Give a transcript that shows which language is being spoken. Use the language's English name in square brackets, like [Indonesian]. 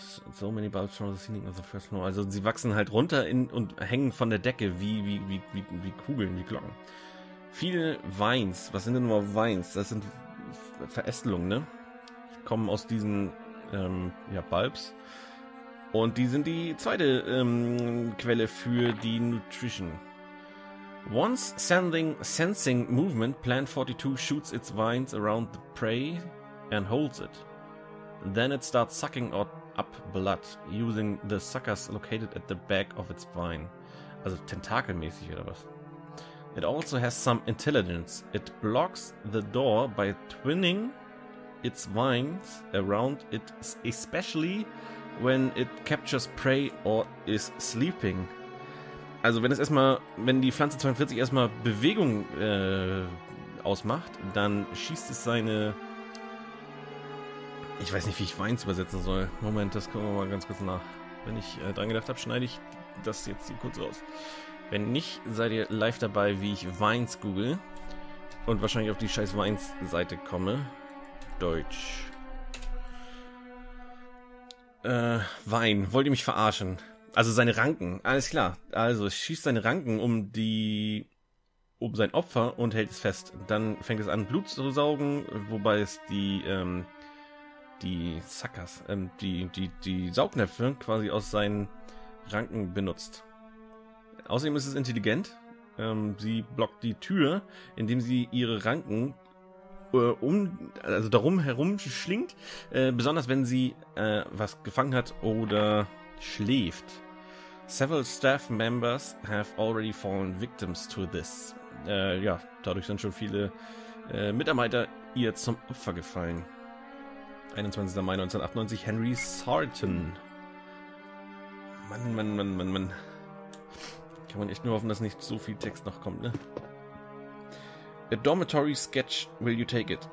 [English] so many bulbs from the ceiling of the first floor. [German] Also sie wachsen halt runter in, und hängen von der Decke wie Kugeln, wie Glocken. Viele Vines, was sind denn nur Vines? Das sind Verästelungen, ne? Kommen aus diesen Bulbs. Und die sind die zweite Quelle für die Nutrition. [English] Once sensing movement, Plant 42 shoots its vines around the prey and holds it. Then it starts sucking up blood, using the suckers located at the back of its vine. [German] Also tentakelmäßig oder was? [English] It also has some intelligence. It blocks the door by twining its vines around it, especially when it captures prey or is sleeping. [German] Also wenn es erstmal, wenn die Pflanze 42 erstmal Bewegung ausmacht, dann schießt es seine, ich weiß nicht, wie ich Vines übersetzen soll. Moment, das gucken wir mal ganz kurz nach. Wenn ich dran gedacht habe, schneide ich das jetzt hier kurz raus. Wenn nicht, seid ihr live dabei, wie ich Vines google und wahrscheinlich auf die scheiß Vines-Seite komme. Deutsch. Wein, wollt ihr mich verarschen? Also seine Ranken, alles klar. Also es schießt seine Ranken um sein Opfer und hält es fest. Dann fängt es an, Blut zu saugen, wobei es die Saugnäpfe quasi aus seinen Ranken benutzt. Außerdem ist es intelligent. Sie blockt die Tür, indem sie ihre Ranken darum herum schlingt. Besonders wenn sie was gefangen hat oder schläft. [English] Several staff members have already fallen victims to this. [German] Dadurch sind schon viele Mitarbeiter ihr zum Opfer gefallen. 21. Mai 1998, Henry Sarton. Mann. Kann man echt nur hoffen, dass nicht so viel Text noch kommt, ne? [English] A dormitory sketch, will you take it?